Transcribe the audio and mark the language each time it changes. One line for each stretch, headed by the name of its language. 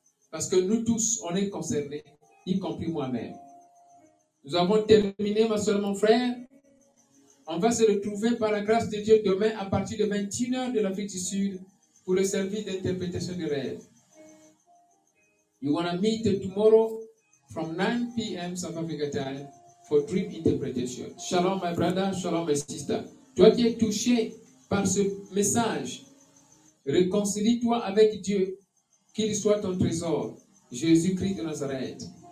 French: Parce que nous tous, on est concernés, y compris moi-même. Nous avons terminé, ma soeur, mon frère. On va se retrouver par la grâce de Dieu demain à partir de 21h de l'Afrique du Sud pour le service d'interprétation du rêve.
English: You want to meet tomorrow from 9 p.m. South Africa time for dream interpretation. Shalom, my brother. Shalom, my sister.
French: Toi qui es touché par ce message, réconcilie-toi avec Dieu, qu'il soit ton trésor, Jésus-Christ de Nazareth.